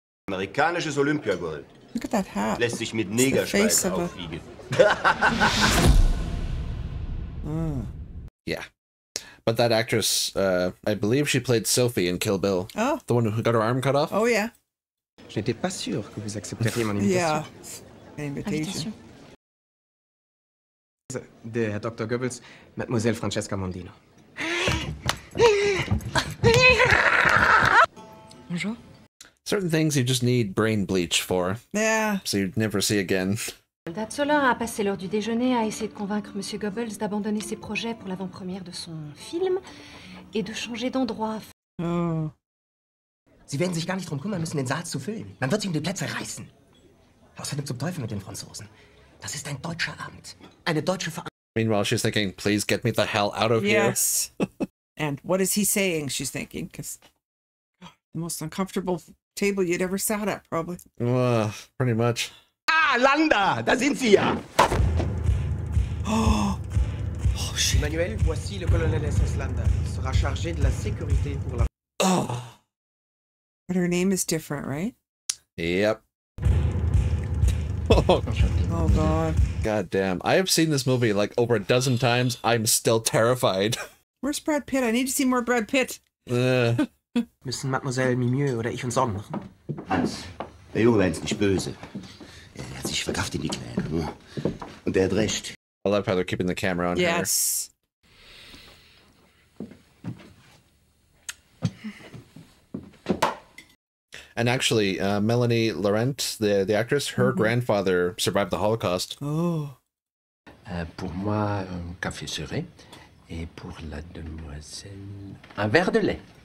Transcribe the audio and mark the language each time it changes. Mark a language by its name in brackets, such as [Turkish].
[German] Amerikanisches Olympiagold. [English] Look at that hat. [German] Lässt sich mit Negerschweiß auffliegen. [English] Yeah. But that actress, I believe she played Sophie in Kill Bill. Oh. The one who got her arm cut off. Oh, yeah. [French] Je n'étais pas sûr que vous accepteriez mon invitation. [English] Yeah. An invitation. [French] De Dr. Goebbels, Mademoiselle Francesca Mondino. Bonjour. [English] Certain things you just need brain bleach for. Yeah. So you'd never see again. [French] Soldat Zola a passé l'heure du déjeuner à essayer de convaincre Monsieur Goebbels d'abandonner ses projets pour l'avant-première de son film et de changer d'endroit. Oh. [German] Sie werden sich gar nicht drum kümmern müssen, den Saal zu füllen. Man wird sich um die Plätze reißen. Außerdem zum Teufel mit den Franzosen. Das ist ein deutscher Abend. Eine deutsche Veranstaltung. [English] Meanwhile, she's thinking, please get me the hell out of here. Yes. And what is he saying, she's thinking, because the most uncomfortable table you'd ever sat at, probably. Pretty much. [German] Ah, Landa, da sind Sie ja. [English] Oh, shit. [French] Emmanuel, voici le colonel SS Landa. Il sera chargé de la sécurité pour la... Oh. [English] But her name is different, right? Yep. Oh, God. God damn. I have seen this movie like over a dozen times. I'm still terrified. Where's Brad Pitt? I need to see more Brad Pitt. [German] Müssen Mademoiselle Mimieux oder ich uns sorgen machen? Hans, der Junge meint's nicht böse. Er hat sich verkauft in die Kleine. Und er hat recht. [English] I love how they're keeping the camera on. Yes. And actually, Melanie Laurent, the actress, her grandfather survived the Holocaust. Oh. [French] Pour moi, un café serré. Et pour la demoiselle, un verre de lait.